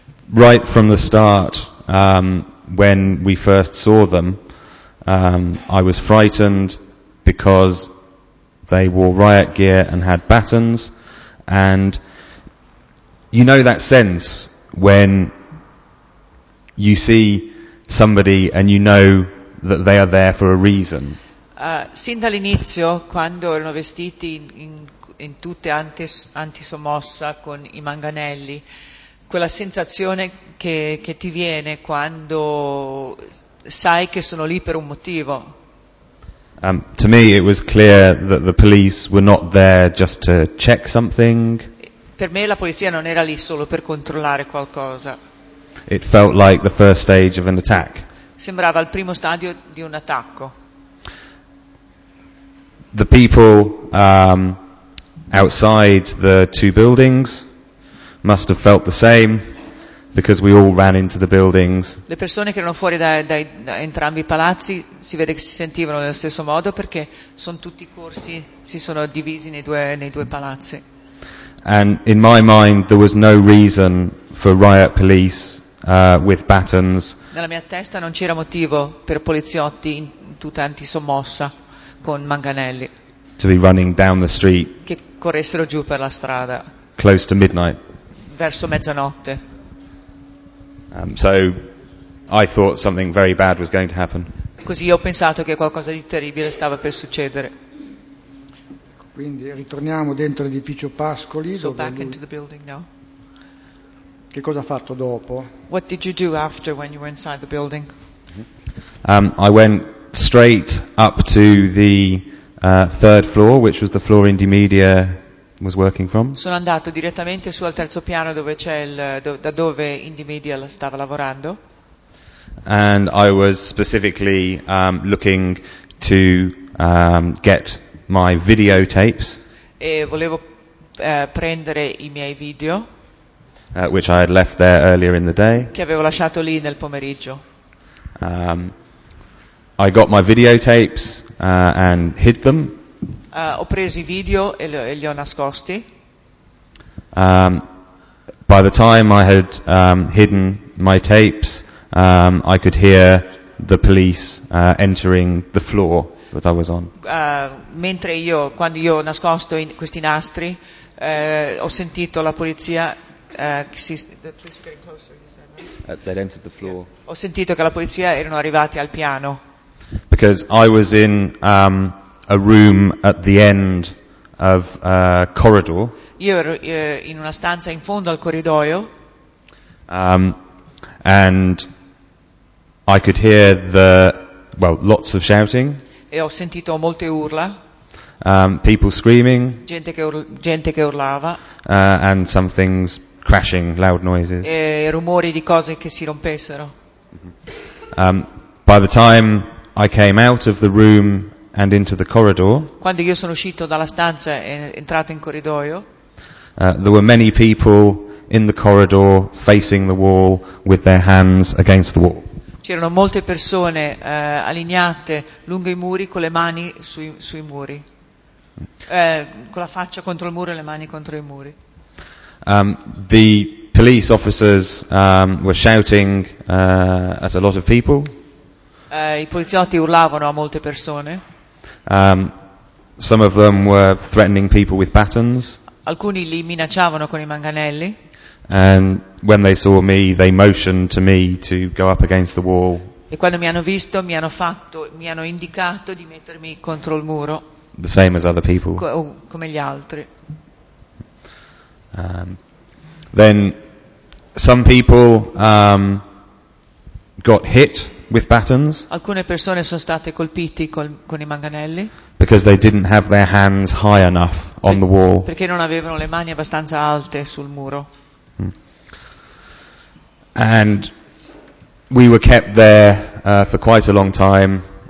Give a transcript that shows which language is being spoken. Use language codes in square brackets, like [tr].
[en] Right from the start, when we first saw them, I was frightened because they wore riot gear and had batons. And you know that sense when you see somebody and you know that they are there for a reason. [it] Sin dall'inizio, quando erano vestiti in tutte antisommossa con i manganelli, quella sensazione che ti viene quando sai che sono lì per un motivo. [en] To me it was clear that the police were not there just to check something. [it] Per me la polizia non era lì solo per controllare qualcosa. [en] It felt like the first stage of an attack. [it] Sembrava il primo stadio di un attacco. [en] The people outside the two buildings must have felt the same, because we all ran into the buildings. [it] Le persone che erano fuori da entrambi i palazzi si vede che si sentivano nello stesso modo, perché sono tutti corsi, si sono divisi nei due palazzi. [en] And in my mind there was no reason for riot police with batons. [it] Nella mia testa non c'era motivo per poliziotti in tuta antisommossa con manganelli. [en] To be running down the street. [it] Che corressero giù per la strada. [en] Close to midnight. [it] Verso mezzanotte. [en] So I thought something very bad was going to happen. [it] Così ho pensato che qualcosa di terribile stava per succedere. Quindi ritorniamo dentro l'edificio Pascoli. [en] So back into the building now. [it] Che cosa ha fatto dopo? [en] What did you do after when you were inside the building? I went straight up to the third floor, which was the floor Indymedia was working from. [it] Sono andato direttamente su al terzo piano dove c'è il da dove Indymedia stava lavorando. [en] And I was specifically looking to get my video tapes. [it] E volevo prendere I miei video. [en] Which I had left there earlier in the day. [it] Che avevo lasciato lì nel pomeriggio. [en] I got my videotapes and hid them. [it] Ho preso I video e li ho nascosti. [en] By the time I had hidden my tapes, I could hear the police entering the floor that I was on. [it] Mentre io, quando io ho nascosto questi nastri, ho sentito la polizia. [en] They'd entered the floor. [it] Ho sentito che la polizia erano arrivati al piano. [en] Because I was in a room at the end of a corridor. [it] Io ero in una stanza in fondo al corridoio. [en] And I could hear the lots of shouting. [it] E ho sentito molte urla. [en] People screaming. [it] Gente che urlava. [en] And some things. Crashing, loud noises. [it] E rumori di cose che si rompessero. [en] By the time I came out of the room and into the corridor, [it] quando io sono uscito dalla stanza e entrato in corridoio, [en] there were many people in the corridor facing the wall with their hands against the wall. [it] C'erano molte persone allineate lungo I muri con le mani sui muri, con la faccia contro il muro e le mani contro I muri. [en] The police officers were shouting at a lot of people. [it] I poliziotti urlavano a molte persone. [en] Some of them were threatening people with batons. [it] Alcuni li minacciavano con I manganelli. [en] And when they saw me, they motioned to me to go up against the wall. [it] E quando mi hanno visto, mi hanno indicato di mettermi contro il muro. [en] The same as other people. [it] Come gli altri. [en] Then some people got hit with batons. [it] Alcune persone sono state colpite con I manganelli. [en] Because they didn't have their hands high enough on the wall. [it] Perché non avevano le mani abbastanza alte sul muro. [en] And we were kept there for quite a long time.